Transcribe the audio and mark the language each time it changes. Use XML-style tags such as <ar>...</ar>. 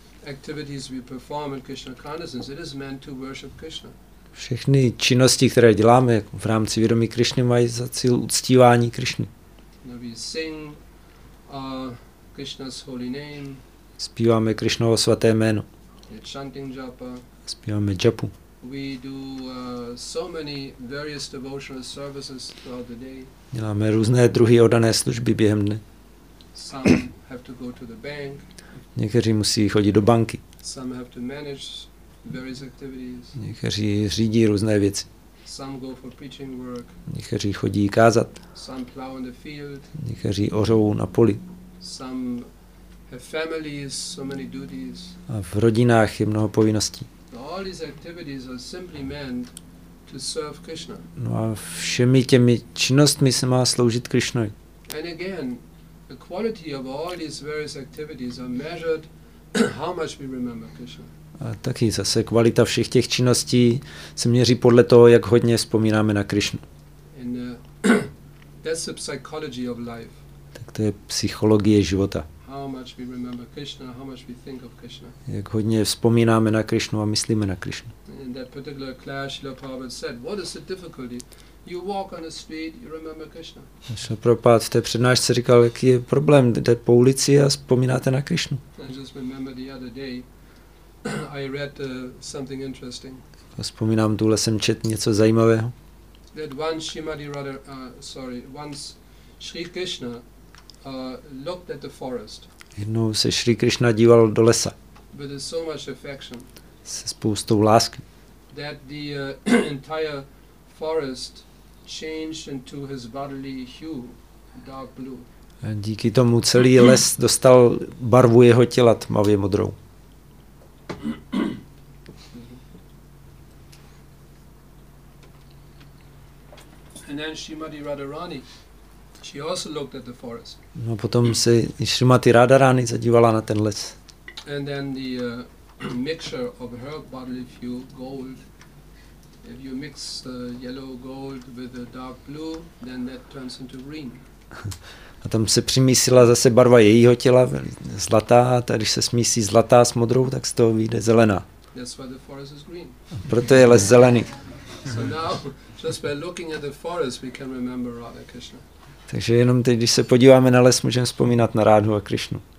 <en>Activities we perform in Krishna consciousness, it is meant to worship Krishna.</en> <cs>Všechny činnosti, které děláme v rámci vědomí Krišny, mají za cíl uctívání Krišny.</cs> <en>We sing Krishna's holy name.</en> <cs>Zpíváme Krišnovo svaté jméno.</cs> <en>Chanting japa.</en> <cs>Zpíváme japu.</cs> <en>We do so many various devotional services throughout the day.</en> <cs>Děláme různé druhy oddané služby během dne.</cs> <en>Some have to go to the bank.</en> <cs>Někteří musí chodit do banky.</cs> <en>Some have to manage various activities.</en> <cs>Někteří řídí různé věci.</cs> <en>Some go for preaching work.</en> <cs>Někteří chodí kázat.</cs> <en>Some plow in the field.</en> <cs>Někteří ořou na poli.</cs> <en>Some have families, so many duties.</en> <cs>A v rodinách je mnoho povinností.</cs> <en>All these activities are simply meant to serve Krishna.</en> <cs>No a všemi těmi činnostmi se má sloužit Krišnovi.</cs> <en>And again, the quality of all these various activities are measured how much we remember Krishna.</en> <cs>A taky zase kvalita všech těch činností se měří podle toho, jak hodně vzpomínáme na Krišnu.</cs> <en>And that's the psychology of life.</en> <cs>Tak to je psychologie života.</cs> <en>How much we remember Krishna, how much we think of Krishna.</en> <cs>Jak hodně vzpomínáme na Krišnu a myslíme na Krišnu.</cs> <en>In that particular class, Srila Prabhupada said, what is the difficulty? You walk on the street, you remember Krishna.</en> <cs>Srila Prabhupada v té přednášce říkal, jaký je problém, jde po ulici a vzpomínáte na Krišnu.</cs> <en>I just remember the other day, I read something interesting.</en> <cs>Vzpomínám, tuhle jsem četl něco zajímavého.</cs> <en>That once Srimati Radha, once Sri Krishna looked at the forest.</en> <cs>Jednou se Sri Krishna díval do lesa.</cs> <en>With so much affection.</en> <cs>Se spoustou lásky.</cs> <en>That the entire forest changed into his bodily hue, dark blue.</en> <cs>A díky tomu celý les dostal barvu jeho těla tmavě modrou.</cs> <en>And then Srimati Radharani, she also looked at the forest.</en> <cs>No potom se Srimati Radharani zadívala na ten les.</cs> <en>And then the mixture of her bodily hue, gold. If you mix yellow gold with a dark blue, then that turns into green.</en> <cs>A tam se přimísila zase barva jejího těla, zlatá, a když se smísí zlatá s modrou, tak z toho vyjde zelená.</cs> <en>That's why the forest is green.</en> <cs>Proto je les zelený.</cs> <en>So now, just by looking at the forest, we can remember Radha Krishna.</en> <cs>Takže jenom teď, když se podíváme na les, můžeme vzpomínat na Rádhu a Krišnu.</cs>